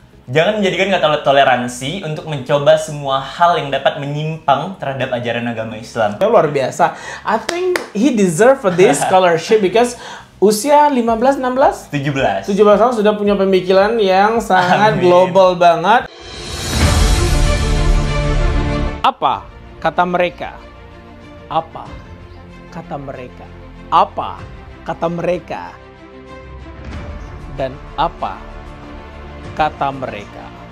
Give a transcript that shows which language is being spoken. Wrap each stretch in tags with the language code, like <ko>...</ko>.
<id>Jangan menjadikan kata toleransi untuk mencoba semua hal yang dapat menyimpang terhadap ajaran agama Islam. Luar biasa.</id> <en>I think he deserve for this scholarship because</en> <id>usia 15, 16? 17. 17 tahun sudah punya pemikiran yang sangat Amin. Global banget. Apa kata mereka? Apa kata mereka? Apa kata mereka? Dan apa kata mereka?</id>